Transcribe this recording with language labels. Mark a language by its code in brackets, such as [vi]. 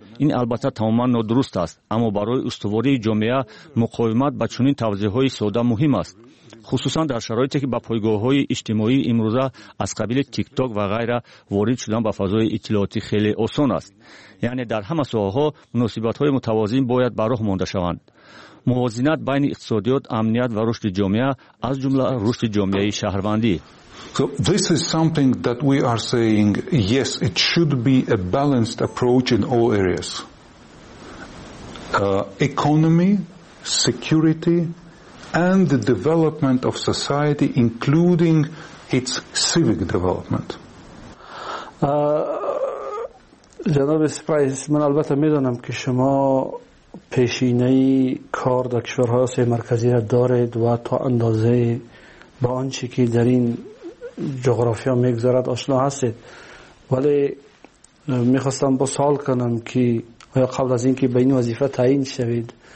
[fa] این البته تماما نادرست است، اما برای استواری جامعه مقاومت به چنین توضیح های ساده مهم است، خصوصا در شرایطی که با پایگاه های اجتماعی امروزه از قبیل تیک تاک و غیره وارد شدن به فضای اطلاعاتی خیلی آسان است. یعنی در همه ساحه ها مناسبت های متوازن باید براه مانده شوند. موازنت بین اقتصادیات، امنیت و رشد جامعه از جمله رشد جامعه شهروندی. [en] So this is something that we are saying, yes, it should be a balanced approach in all areas. Economy, security and the development of society, including its civic development. [fa] جناب سپایس، من البته میدونم که شما پیشینه کار در کشورهای سه مرکزی دارید و تا اندازه با آنچه که در این جغرافیا میگذرد آشنا هستید، ولی میخواستم با سوال کنم که آیا قبل از اینکه به این وظیفه تعیین شوید،